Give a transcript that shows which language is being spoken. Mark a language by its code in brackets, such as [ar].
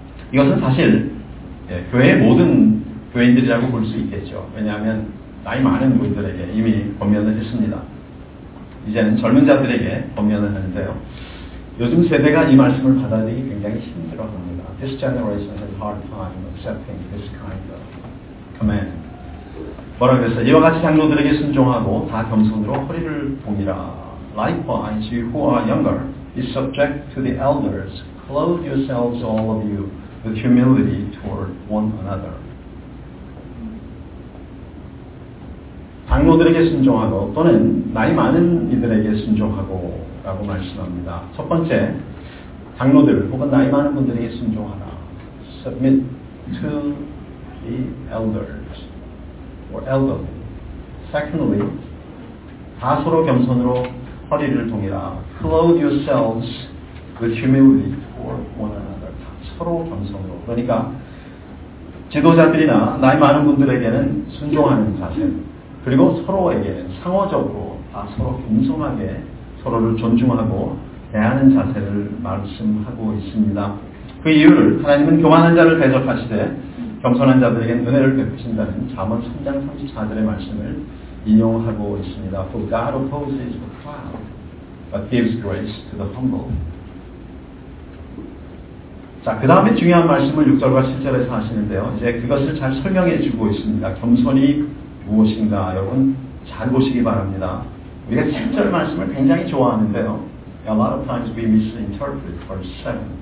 [ko] 이것은 사실 예, 교회의 모든 교인들이라고 볼 수 있겠죠. 왜냐하면 나이 많은 분들에게 이미 권면을 했습니다. 이제는 젊은 자들에게 권면을 하는데요. 요즘 세대가 이 말씀을 받아들이기 굉장히 힘들어합니다. [en] This generation has a hard time accepting this kind of command. [ko] 뭐라 그랬어요? 이와 같이 장로들에게 순종하고 다 겸손으로 허리를 동이라. [en] Likewise, you who are younger, be subject to the elders. Clothe yourselves, all of you, with humility toward one another. [ko] 장로들에게 순종하고 또는 나이 많은 이들에게 순종하고 라고 말씀합니다. 첫 번째, 장로들 혹은 나이 많은 분들에게 순종하라. [en] Submit to the elders or elderly. Secondly, [ko] 다 서로 겸손으로 허리를 동이라. [en] Clothe yourselves with humility toward one another. [ko] 다 서로 겸손으로. 그러니까 지도자들이나 나이 많은 분들에게는 순종하는 자세 그리고 서로에게 상호적으로 다 서로 겸손하게 서로를 존중하고 대하는 자세를 말씀하고 있습니다. 그 이유를 하나님은 교만한 자를 대적하시되 겸손한 자들에게 은혜를 베푸신다는 잠언 3장 34절의 말씀을 인용하고 있습니다. [en] For God opposes the proud, but gives grace to the humble. [ko] 자, 그 다음에 중요한 말씀을 6절과 7절에서 하시는데요. 이제 그것을 잘 설명해 주고 있습니다. 겸손이 무엇인가? 여러분, 자, 잘 보시기 바랍니다. 우리가 7절 말씀을 굉장히 좋아하는데요. [en] A lot of times we misinterpret verse 7.